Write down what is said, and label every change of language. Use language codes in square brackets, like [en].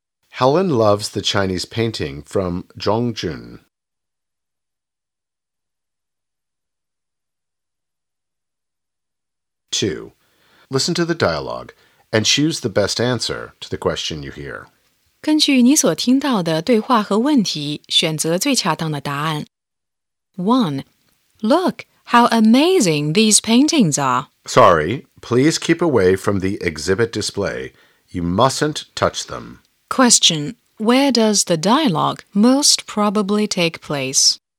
[en] Helen loves the Chinese painting from Zhong Jun. 2. Listen to the dialogue and choose the best answer to the question you hear. [zh] 根据你所听到的对话和问题，选择最恰当的答案。 [en] 1. Look how amazing these paintings are. Sorry, please keep away from the exhibit display. You mustn't touch them. Question. Where does the dialogue most probably take place?